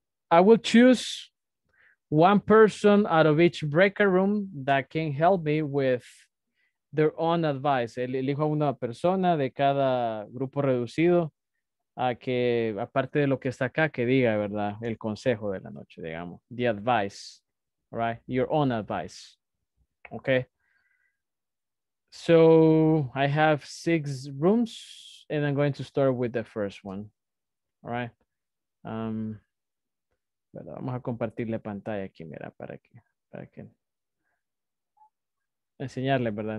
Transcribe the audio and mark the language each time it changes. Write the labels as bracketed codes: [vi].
[en] I will choose one person out of each breakout room that can help me with their own advice. [es] Elijo a una persona de cada grupo reducido a que, aparte de lo que está acá, que diga, ¿verdad? El consejo de la noche, digamos. [en] The advice. [es] All right. [en] Your own advice. Okay. So I have 6 rooms and I'm going to start with the first one. All right. [es] Pero vamos a compartirle pantalla aquí, mira, para que enseñarle, ¿verdad?